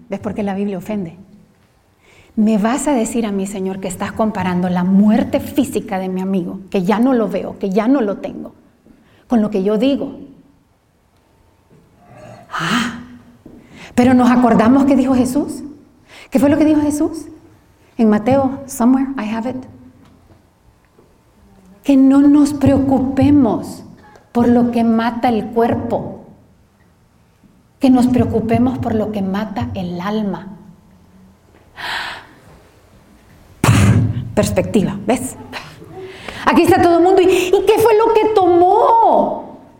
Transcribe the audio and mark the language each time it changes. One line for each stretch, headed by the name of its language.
Spanish: ¿Ves por qué la Biblia ofende? ¿Me vas a decir a mí, Señor, que estás comparando la muerte física de mi amigo, que ya no lo veo, que ya no lo tengo, con lo que yo digo? Ah, pero nos acordamos qué dijo Jesús. ¿Qué fue lo que dijo Jesús?
English: En Mateo, somewhere, I have it.
Spanish: Que no nos preocupemos por lo que mata el cuerpo. Que nos preocupemos por lo que mata el alma. Perspectiva, ¿ves? Aquí está todo el mundo. ¿Y qué fue lo que tomó?